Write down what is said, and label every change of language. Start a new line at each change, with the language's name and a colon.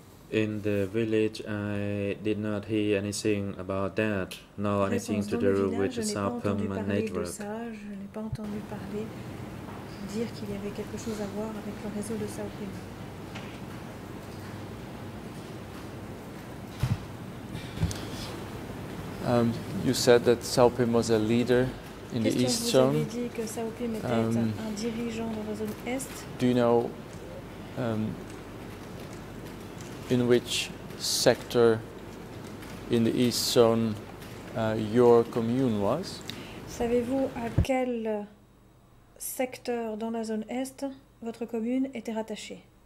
English: In the village, I did not hear anything about that, nor anything to do with the Sao Pim network.
French: Dire qu'il y avait quelque chose à voir avec le réseau de Sao Pim.
English: You said that Sao Pim was a leader in the East Zone.
French: Vous avez dit que Sao Pim était un dirigeant dans la zone Est.
English: Do you know in which sector in the East Zone your commune was?
French: Savez-vous à quel secteur dans la zone Est votre commune était rattachée?